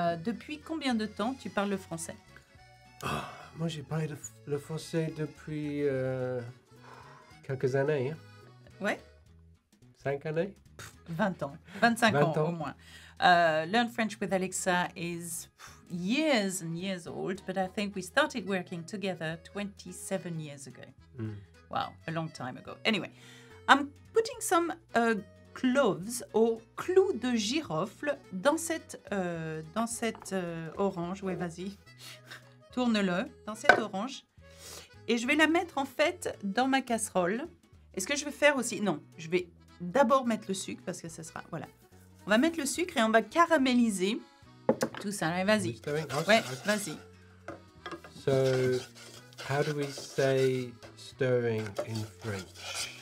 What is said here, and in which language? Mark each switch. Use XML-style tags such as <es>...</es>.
<fr>Depuis combien de temps tu parles le français? Moi, j'ai parlé le français depuis quelques années. Hein. Ouais. 5 années. 20 ans. 25 20 ans, ans au moins.</fr> <en>Learn French with Alexa is years and years old, but I think we started working together 27 years ago. Mm. Wow, a long time ago. Anyway, I'm putting some cloves or</en> <fr>clous de girofle dans cette orange. Ouais, vas-y. Tourne-le dans cette orange et je vais la mettre en fait dans ma casserole. Est-ce que je vais faire aussi... Non, je vais d'abord mettre le sucre parce que ça sera... Voilà. On va mettre le sucre et on va caraméliser tout ça. Allez, vas-y. Ouais, vas-y.</fr> <en>So, how do we say stirring in French?</en>